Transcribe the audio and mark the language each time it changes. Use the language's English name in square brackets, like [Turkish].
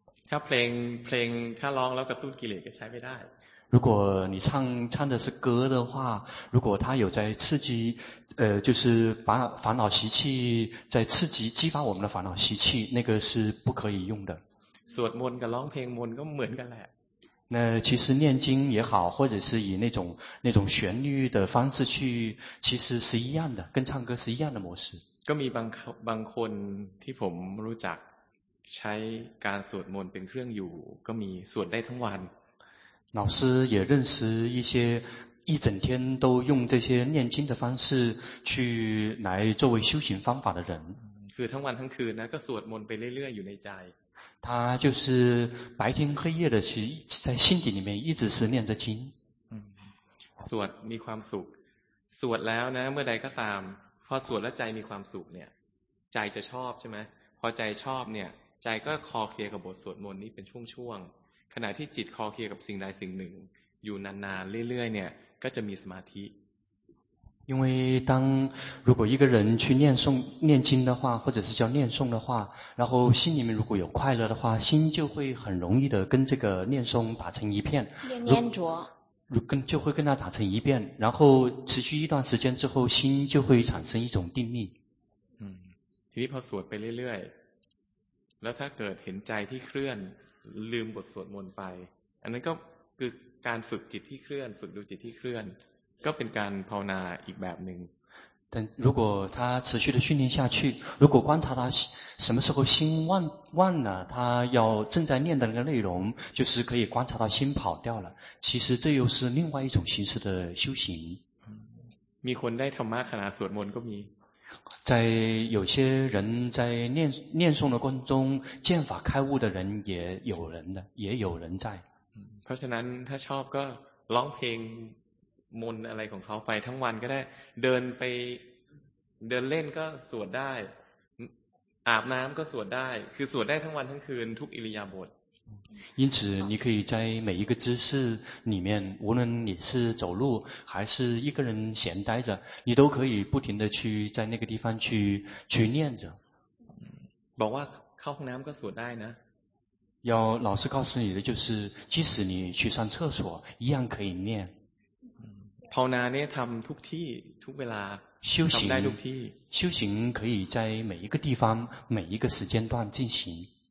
[Thai] ถ้าเพลงถ้าร้องแล้วกระตุ้นกิเลสก็ใช้ไม่ได้ [Chinese] 如果你唱的是歌的话如果它有在刺激就是把烦恼习气在刺激激发我们的烦恼习气那个是不可以用的 [Thai] สวดมนต์กับร้องเพลงมนต์ก็เหมือนกันแหละ [Chinese] 那其实念经也好或者是以那种旋律的方式去其实是一样的跟唱歌是一样的模式 [Thai] ก็มีบางคนที่ผมรู้จักใช้การสวดมนต์เป็นเครื่องอยู่ก็มีสวดได้ทั้งวัน [Chinese] 老师也认识一些一整天都用这些念经的方式去来作为修行方法的人， [Thai] คือทั้งวันทั้งคืนนะก็สวดมนต์ไปเรื่อยๆอยู่ในใจ， [Chinese] 他就是白天黑夜的去在心底里面一直是念着经， [Thai] สวดมีความสุขสวดแล้วนะเมื่อใดก็ตามพอสวดแล้วใจมีความสุขเนี่ยใจจะชอบใช่ไหมพอใจชอบเนี่ยใจก็คลอเคลียกับบทสวดมนต์นี้เป็นช่วงๆขณะที่จิตคลอเคลียกับสิ่งใดสิ่งหนึ่งอยู่นานๆเรื่อยๆเนี่ยก็จะมีสมาธิ [Chinese] 因为当如果一个人去念诵念经的话或者是叫念诵的话然后心里面如果有快乐的话心就会很容易的跟这个念诵打成一片念着就会跟他打成一遍然后持续一段时间之后心就会产生一种定力 [Thai] ทีนี้พอสวดไปเรื่อยๆแล้วถ้าเกิดเห็นใจที่เคลื่อนลืมบทสวดมนต์ไปอันนั้นก็คือการฝึกจิตที่เคลื่อนฝึกดูจิตที่เคลื่อนก็เป็นการภาวนาอีกแบบนึง [Chinese] 但如果他持续的训练下去如果观察他什么时候心忘了他要正在念的那个内容就是可以观察到心跑掉了其实这又是另外一种形式的修行 [Thai] มีคนได้ธรรมะขณะสวดมนต์ก็มี [Chinese] 在有些人在念诵的过程中见法开悟的人也有人的也有人在 [Thai] เพราะฉะนั้นถ้าชอบก็ร้องเพลงมนอะไรของเขาไปทั้งวันก็ได้เดินไปเดินเล่นก็สวดได้อาบน้ำก็สวดได้คือสวดได้ทั้งวันทั้งคืนทุกอิริยาบถ [Chinese] 因此你可以在每一个姿势里面无论你是走路还是一个人闲待着你都可以不停的去在那个地方去念着 [Thai] บอกว่าเข้าห้องน้ำก็สวดได้นะ [Chinese] 要老师告诉你的就是即使你去上厕所一样可以念 [Thai] ภาวนาเนี่ยทำทุกที่ทุกเวลาทำได้ทุกที่ [Chinese] 修行可以在每一个地方每一个时间段进行